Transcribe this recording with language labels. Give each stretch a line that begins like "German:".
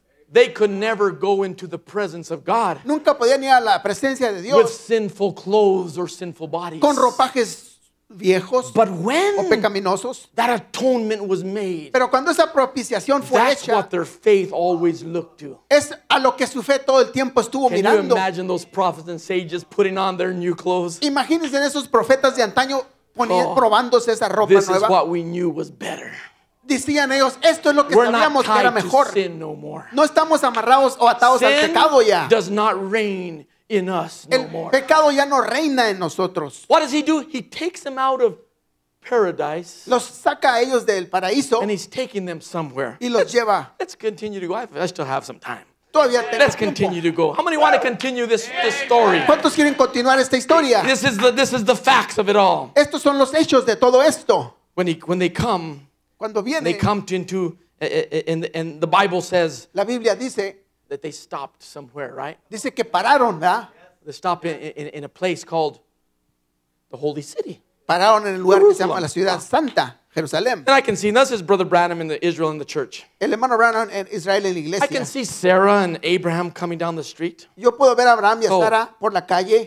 English: They could never go into the presence of God.
Spanish: Nunca podían ir a la presencia de Dios.
English: With sinful clothes or sinful bodies.
Spanish: Con ropajes viejos
English: but when
Spanish: o pecaminosos
English: that atonement was made,
Spanish: pero cuando esa propiciación fue
English: that's
Spanish: hecha
English: what their faith always looked to.
Spanish: Es a lo que su fe todo el tiempo estuvo
English: can
Spanish: mirando.
English: You imagine those prophets and sages putting on their new clothes?
Spanish: Imagínense esos profetas de antaño probándose esa ropa
English: this
Spanish: nueva.
English: Is what we knew was better.
Spanish: Decían ellos esto es lo que
English: we're
Spanish: sabíamos que era mejor
English: no,
Spanish: no estamos amarrados o atados
English: sin
Spanish: al pecado ya
English: does not reign in us
Spanish: el
English: no more.
Spanish: Pecado ya no reina en nosotros.
English: What does he do? He takes them out of paradise.
Spanish: Los saca a ellos del paraíso.
English: And he's taking them somewhere.
Spanish: Y los lleva.
English: Let's continue to go. I still have some time.
Spanish: Todavía tengo
English: let's continue
Spanish: tiempo.
English: To go. How many want to continue this story?
Spanish: ¿Cuántos quieren continuar esta historia?
English: This is the facts of it all.
Spanish: Estos son los hechos de todo esto.
English: When they come.
Spanish: Cuando vienen.
English: They come to into and the Bible says.
Spanish: La Biblia dice.
English: That they stopped somewhere, right?
Spanish: Dice que pararon, ¿verdad?
English: They stopped in a place called the Holy City.
Spanish: Pararon en el lugar que se llama la ciudad santa, Jerusalén.
English: And I can see, and this is Brother Branham in the Israel in the church.
Spanish: El hermano Branham en Israel en la iglesia.
English: I can see Sarah and Abraham coming down the street.
Spanish: Yo puedo ver a Abraham y a Sarah por la calle.